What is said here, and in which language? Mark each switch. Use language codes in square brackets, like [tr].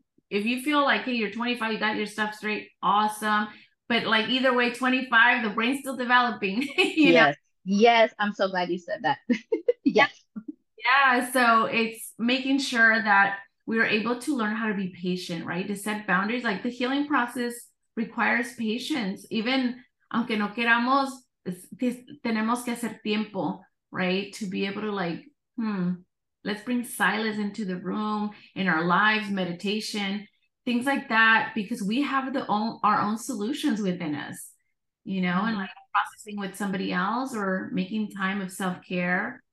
[en] If you feel like, hey, you're 25, you got your stuff straight, awesome. But like either way, 25, the brain's still developing, you know? Yes, I'm so glad you said that. Yes. Yeah, so it's making sure that we are able to learn how to be patient, right? To set boundaries. Like the healing process requires patience. [es] Even aunque no queramos, tenemos que hacer tiempo, right? [en] To be able to like, let's bring silence into the room, in our lives, meditation, things like that, because we have the own our own solutions within us, you know, and like processing with somebody else or making time of self-care.